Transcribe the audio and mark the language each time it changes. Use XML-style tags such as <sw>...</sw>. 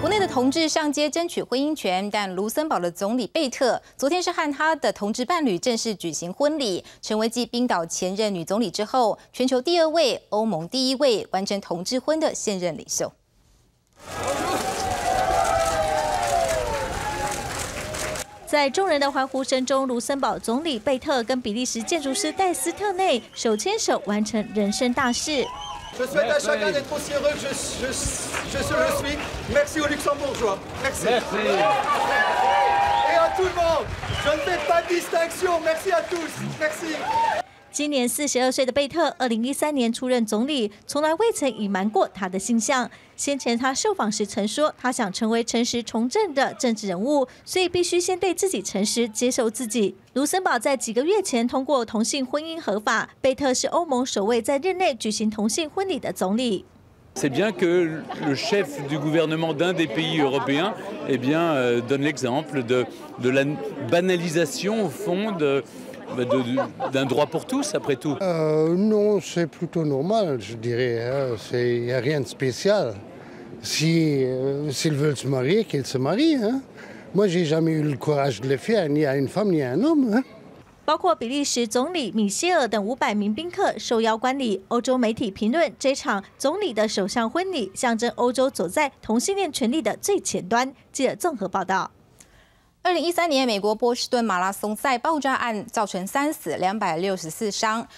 <zh>同志上街争取婚姻权，但卢森堡的总理贝特昨天是和他的同志伴侣正式举行婚礼，成为继冰岛前任女总理之后，全球第二位、欧盟第一位完成同志婚的现任领袖。在众人的欢呼声中，卢森堡总理贝特跟比利时建筑师戴斯特内手牵手完成人生大事。</zh> <fr>Je souhaite à chacun d'être aussi heureux que je suis. Merci aux Luxembourgeois. Merci. Merci. Et à tout le monde. Je ne fais pas de distinction. Merci à tous. Merci.</fr> <zh>今年42岁的贝特，2013年出任总理，从来未曾隐瞒过他的性向。先前他受访时曾说，他想成为诚实从政的政治人物，所以必须先对自己诚实，接受自己。卢森堡在几个月前通过同性婚姻合法，贝特是欧盟首位在任内举行同性婚礼的总理。</zh> <fr>C'est bien que le chef du gouvernement d'un des pays européens, eh bien, donne l'exemple de la banalisation au fond de. D'un droit pour tous, après tout Non, c'est plutôt normal, je dirais. Il n'y a rien de spécial. Si, s'ils veulent se marier, qu'ils se marient. Hein. Moi, je n'ai jamais eu le courage de le faire, ni à une femme, ni à un homme. Hein.</fr> <zh>包括比利时总理米歇尔等500名宾客受邀观礼。欧洲媒体评论，这场总理的首相婚礼象征欧洲走在同性恋权利的最前端。记者综合报道。 2013年，美国波士顿马拉松赛爆炸案造成3死264伤。</zh>